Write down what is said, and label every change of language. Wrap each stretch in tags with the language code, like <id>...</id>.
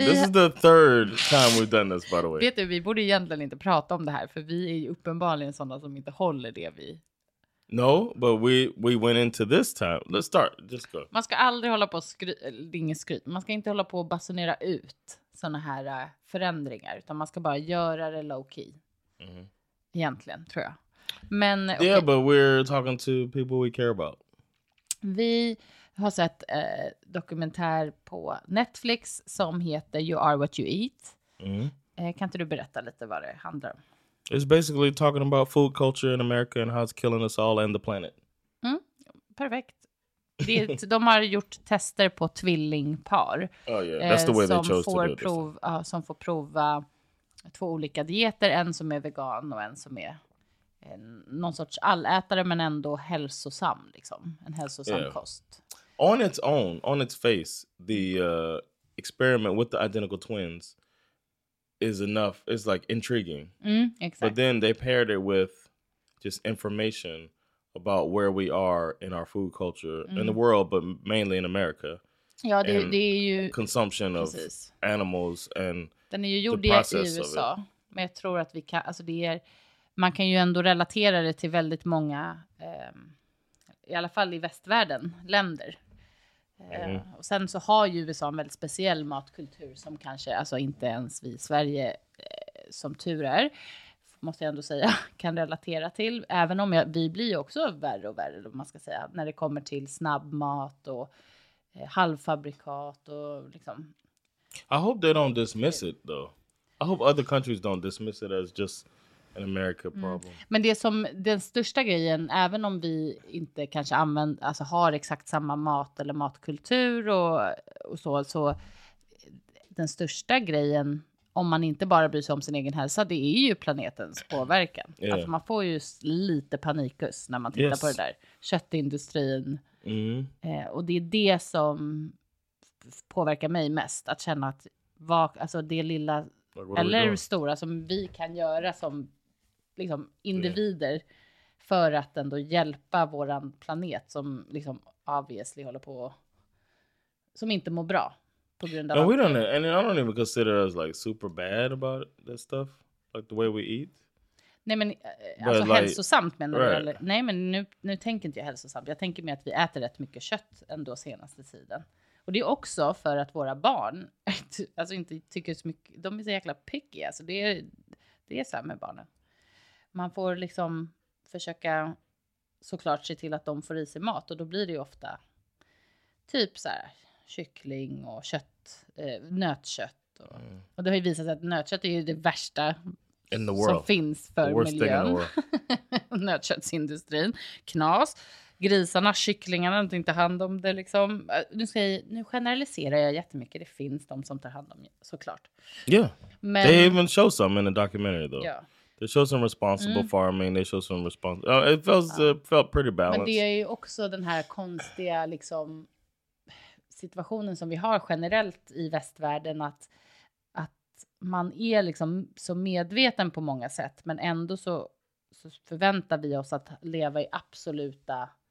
<en>This is the third time we've done this, by the way.</en> <sv>Vet du, vi borde egentligen inte prata om det här, för vi är ju uppenbarligen sådana som inte håller det vi...</sv> <en>No, but we went into this time. Let's start. Just go.</en> <sv>Man ska aldrig hålla på och skryt. Man ska inte hålla på och bassonera ut såna här förändringar, utan man ska bara göra det low key. Mm-hmm. Egentligen, tror jag. Men</sv> <en>okay. Yeah, but we're talking to people we care about.</en> <sv>Vi har sett dokumentär på Netflix som heter You Are What You Eat. Mm-hmm. Kan inte du berätta lite vad det handlar om?</sv> <en>It's basically talking about food culture in America and how it's killing us all and the planet.</en> <sv>Mm, perfekt. De har gjort tester på tvillingpar.</sv> <en>Oh yeah, that's the way they chose to do it.</en> <sv>Som får prova två olika dieter, en som är vegan och en som är någon sorts allätare men ändå hälsosam, liksom. En hälsosam kost.</sv> <en>On its face, the experiment with the identical twins is enough. It's like intriguing. Exactly. But then they paired it with just information about where we are in our food culture in the world, but mainly in America.</en> <sv>Ja, det är ju</sv> <en>consumption of animals and</en> <sv>den är ju gjord i USA. Men jag tror att vi kan, alltså det är, man kan ju ändå relatera det till väldigt många i alla fall i västvärlden länder. Och sen så har ju USA en väldigt speciell matkultur som kanske, alltså inte ens vi i Sverige som tur är, måste jag ändå säga, kan relatera till. Även om vi blir ju också värre och värre, om man ska säga, när det kommer till snabbmat och halvfabrikat och liksom.</sv> <en>I hope they don't dismiss it though. I hope other countries don't dismiss it as just an America problem.</en> <sv>Men det som den största grejen, även om vi inte kanske använder, alltså har exakt samma mat eller matkultur och så den största grejen, om man inte bara bryr sig om sin egen hälsa, det är ju planetens påverkan. Yeah. Alltså man får ju lite panikus när man tittar på det där. Köttindustrin. Och det är det som påverkar mig mest, att känna att alltså det lilla eller stora som vi kan göra som liksom individer för att ändå hjälpa våran planet som liksom obviously håller på som inte mår bra på grund av</sv> <en>and we don't and I don't even consider us like super bad about that stuff, like the way we eat.</en> <sv>Nej men alltså like, hälsosamt menar du, eller nej men nu tänker inte jag hälsosamt, jag tänker mer att vi äter rätt mycket kött ändå senaste tiden. Och det är också för att våra barn alltså inte tycker så mycket, de är så jäkla picky, alltså det är så här med barnen. Man får liksom försöka såklart se till att de får i sig mat och då blir det ju ofta typ så här kyckling och kött, nötkött. Och det har ju visat sig att nötkött är ju det värsta</sv> <en>in the world</en> <sv>som finns för miljön. Nötköttsindustrin, knas. Grisarna, kycklingarna har inte hand om det liksom. Nu generaliserar jag jättemycket, det finns de som tar hand om det såklart.</sv> <en>Yeah, men, they even show some in a documentary though. Yeah. They show some responsible farming, they show some responsible... It felt pretty balanced.</en> <sv>Men det är ju också den här konstiga liksom situationen som vi har generellt i västvärlden, att man är liksom så medveten på många sätt, men ändå så förväntar vi oss att leva i absoluta...</sv>